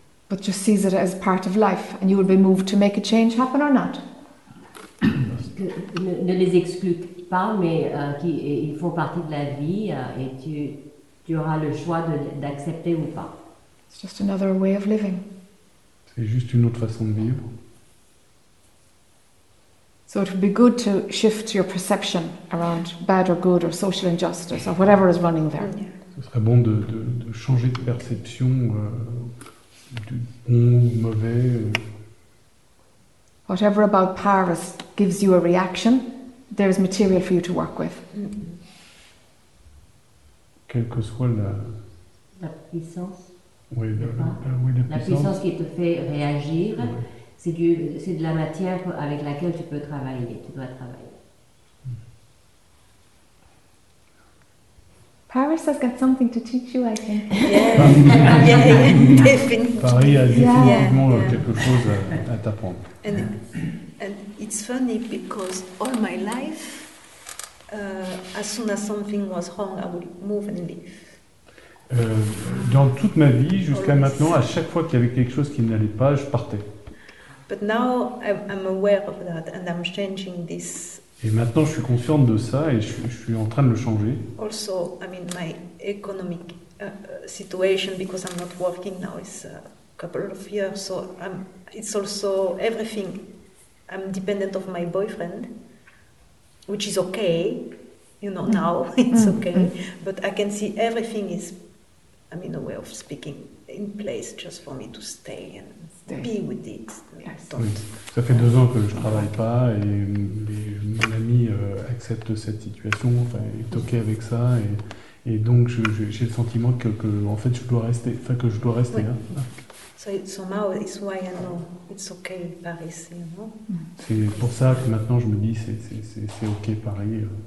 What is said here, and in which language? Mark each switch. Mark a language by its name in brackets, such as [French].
[English] But just sees it as part of life, and you will be moved to make a change happen or not. [French] ne les exclut pas, mais ils font partie de la vie, et tu auras le choix d'accepter ou pas. [English] It's just another way of living. [French] C'est juste une autre façon de vivre. [English] So it would be good to shift your perception around bad or good or social injustice or whatever is running there. [French] Ce serait bon de changer de perception du bon ou mauvais. [English] Whatever about Paris gives you a reaction, there is material for you to work with. Mm-hmm. [French] Quelle que soit la puissance. Oui, la puissance qui te fait réagir, ouais. C'est de la matière avec laquelle tu peux travailler, tu dois travailler. [English] Paris has got something to teach you, I think. [French] Paris a définitivement quelque chose à t'apprendre. [English] And it's funny because all my life, as soon as something was wrong, I would move and leave. [French] Dans toute ma vie, jusqu'à maintenant, à chaque fois qu'il y avait quelque chose qui n'allait pas, je partais. [English] But now I'm aware of that and I'm changing this. [French] Et maintenant, je suis consciente de ça et je suis en train de le changer. [English] Also, I mean, my economic situation because I'm not working now is a couple of years, so it's also everything. I'm dependent of my boyfriend, which is okay, you know. Now it's okay, but I can see everything is. I mean, a way of speaking in place just for me to stay and stay. Be with it. Yes. [French] Oui. Ça fait deux ans que je travaille pas et mon ami accepte cette situation, enfin, est ok avec ça et donc j'ai le sentiment que en fait je dois rester. Oui. Hein. [English] So it's somehow it's why I know it's okay in Paris, you know. [French] C'est pour ça que maintenant je me dis c'est ok Paris.